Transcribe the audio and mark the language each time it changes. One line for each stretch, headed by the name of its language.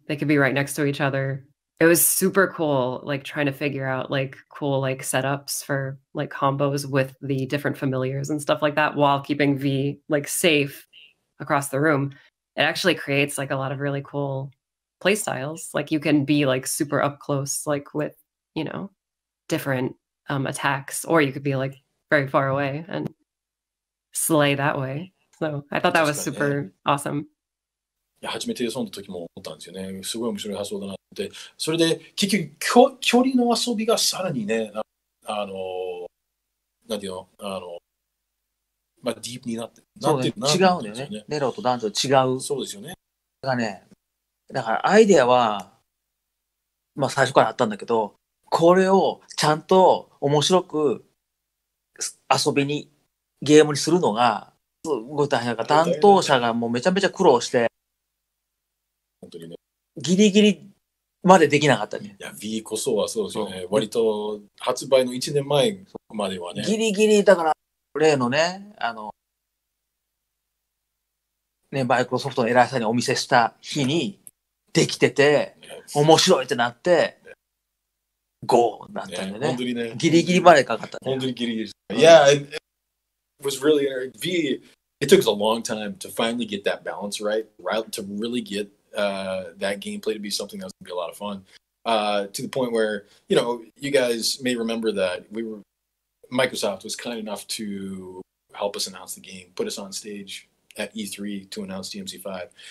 English: They could be right next to each other. It was super cool, like trying to figure out like cool, like setups for like combos with the different familiars and stuff like that while keeping V like safe across the room. It actually creates like a lot of really cool play styles. Like you can be like super up close, like with, you know, different attacks, or you could be like very far away and slay that way. So I thought that was super awesome.
Japanese: Yeah, 初めて遊んだ時も思ったんですよね。すごい面白い発想だなって。それで結局距離の遊びがさらにね、あの、なんていうの、あの、まあディープになって、なってるなって。違うんだよね。ネロと男女違う。そうですよね。だからね、だからアイデアは、まあ最初からあったんだけど、これをちゃんと面白く遊びにゲームにするのがすごい大変だから担当者がもうめちゃめちゃ苦労して本当にねギリギリまでできなかったね。いや、Wii こそはそうですよね。割と発売の1年前まではね。ギリギリ、だから、例のね、あの、ね、マイクロソフトの偉いさんにお見せした日にできてて、面白いってなって、ゴーになったんだよね。本当にね。ギリギリまでかかったね。本当にギリギリです。
English: Yeah, it was really, V, it took us a long time to finally get that balance right, right, to really get that gameplay to be something that was going to be a lot of fun. To the point where, you know, you guys may remember that we were, Microsoft was kind enough to help us announce the game, put us on stage at E3 to announce DMC5.